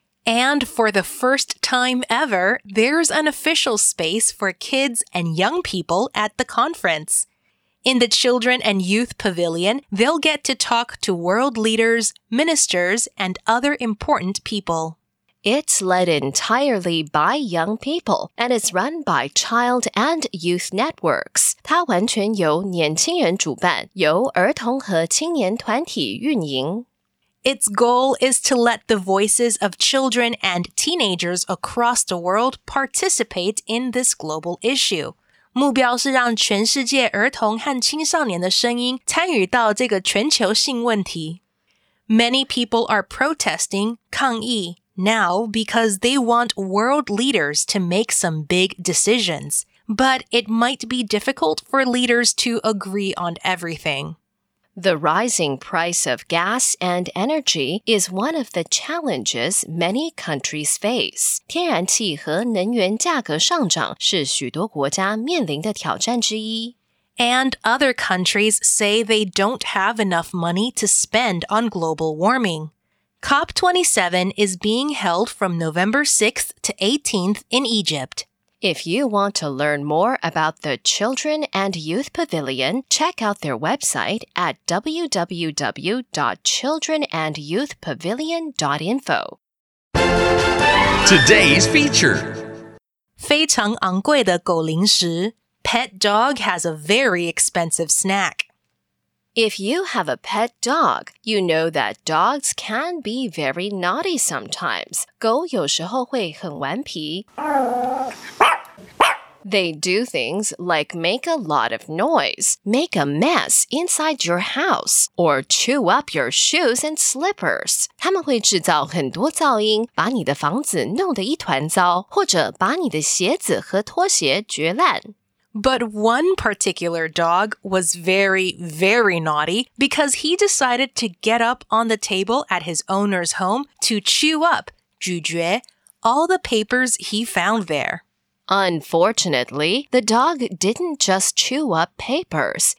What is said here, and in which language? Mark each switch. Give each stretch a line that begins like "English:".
English: And for the first time ever, there's an official space for kids and young people at the conference. In the Children and Youth Pavilion, they'll get to talk to world leaders, ministers, and other important people. It's led entirely by young people, and it's run by Child and Youth Networks.
Chinese: 它完全由年轻人主办，由儿童和青年团体运营。
English: Its goal is to let the voices of children and teenagers across the world participate in this global issue.
Chinese: 目标是让全世界儿童和青少年的声音参与到这个全球性问题。
English: Many people are protesting,
Chinese: 抗议,
English: now because they want world leaders to make some big decisions. But it might be difficult for leaders to agree on everything. The rising price of gas and energy is one of the challenges many countries face.
Chinese: 天然气和能源价格上涨是许多国家面临的挑战之一。
English: And other countries say they don't have enough money to spend on global warming. COP27 is being held from November 6th to 18th in Egypt. If you want to learn more about the Children and Youth Pavilion, check out their website at www.childrenandyouthpavilion.info. Today's feature.
Chinese: 非常昂贵的狗零食
English: pet dog has a very expensive snack. If you have a pet dog, you know that dogs can be very naughty sometimes.
Chinese: 狗有时候会很顽皮。
English: They do things like make a lot of noise, make a mess inside your house, or chew up your shoes and slippers.
Chinese: 他们会制造很多噪音，把你的房子弄得一团糟，或者把你的鞋子和拖鞋嚼烂。
English: But one particular dog was very, very naughty because he decided to get up on the table at his owner's home to chew up,
Chinese: 咀嚼,
English: all the papers he found there. Unfortunately, the dog didn't just chew up papers.